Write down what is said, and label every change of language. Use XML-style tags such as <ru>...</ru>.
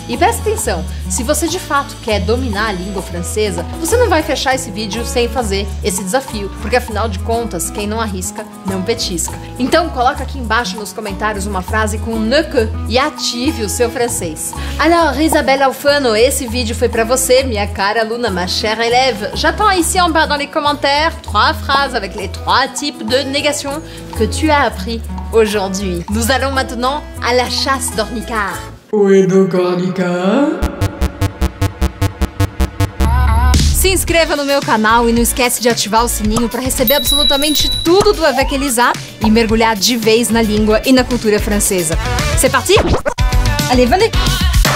<pt>E presta atenção, se você de fato quer dominar a língua francesa, você não vai fechar esse vídeo sem fazer esse desafio, porque afinal de contas, quem não arrisca, não petisca. Então coloca aqui embaixo nos comentários uma frase com ne que e ative o seu francês.</pt> <fr>Alors,</fr> <pt>Isabelle Alfano, esse vídeo foi pra você, minha cara aluna,</pt> <fr>ma chère élève. J'attends ici en bas dans les commentaires 3 phrases avec les 3 types de négation que tu as appris aujourd'hui. Nous allons maintenant à la chasse d'ornicard. Où est donc ornicard?</fr> <pt>Se inscreva no meu canal e não esquece de ativar o sininho para receber absolutamente tudo do Avec Elisa e mergulhar de vez na língua e na cultura francesa.</pt> <fr>C'est parti? Allez, venez!</fr>